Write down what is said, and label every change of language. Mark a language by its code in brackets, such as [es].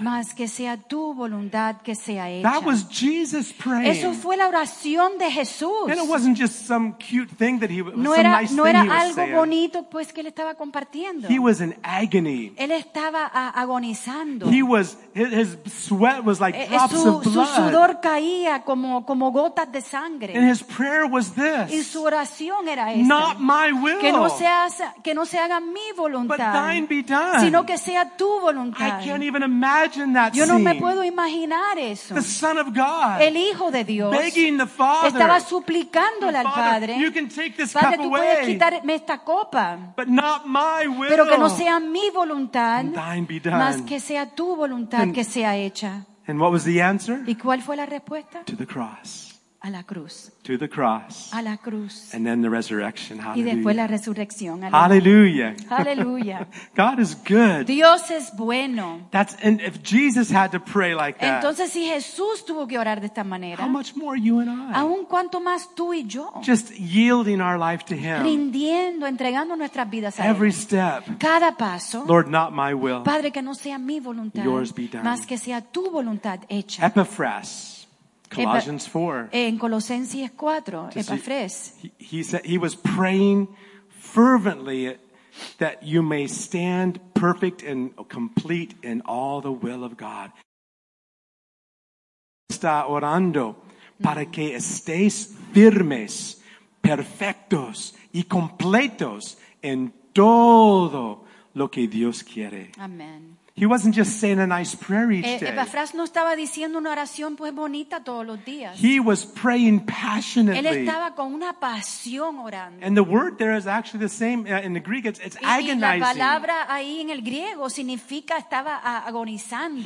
[es] Mas que sea tu voluntad que sea hecha. [en] That was Jesus praying. [es] Eso fue la oración de Jesús. [en] And it wasn't just some cute thing that he was saying. [es] No era algo bonito pues que él estaba compartiendo. [en] He was in agony. [es] Él estaba agonizando. [en] He was his sweat was like drops of blood. [es] Su sudor caía como gotas de sangre. [en] And his prayer was this. [es] Y su oración era esta. [en] Not my will. [es] Que no se haga mi voluntad, [en] but thine be done. [es] Sino que sea tu voluntad. [en] I can't even imagine that scene. [es] Yo no me puedo imaginar eso. [en] The Son of God, [es] el Hijo de Dios, [en] begging the Father, [es] estaba suplicándole al Padre. [en] You can take this [es] Padre, [en] cup [es] tú [en] away, [es] puedes quitarme esta copa. [en] But not my will. [es] Pero que no sea mi voluntad. [en] Thine be done. [es] Mas que sea tu voluntad que sea hecha. [en] And what was the answer? [es] ¿Y cuál fue la respuesta? [en] To the cross. [es] A la cruz. [en] To the cross. [es] A la cruz. [en] And then the resurrection. Hallelujah. [es] Y después la resurrección. Hallelujah. Hallelujah. [en] God is good. [es] Dios es bueno. [en] That's and if Jesus had to pray like that. [es] Entonces si Jesús tuvo que orar de esta manera. [en] How much more you and I? [es] Aún cuanto más tú y yo. [en] Just yielding our life to Him. [es] Rindiendo, entregando nuestras vidas a Él. [en] Every step. [es] Cada paso. [en] Lord, not my will. [es] Padre, que no sea mi voluntad. [en] Yours be done. [es] Mas que sea tu voluntad hecha. [en] Epaphras. Colossians 4. [es] En Colosenses 4, Epafres. [en] He said he was praying fervently that you may stand perfect and complete in all the will of God. [es] Está orando para que estéis firmes, perfectos y completos en todo lo que Dios quiere. Amen. [en] He wasn't just saying a nice prayer each day. [es] Epafras no estaba diciendo una oración pues bonita todos los días. [en] He was praying passionately. [es] Él estaba con una pasión orando. [en] And the word there is actually the same in the Greek. It's agonizing. [es] Y la palabra ahí en el griego significa estaba agonizando.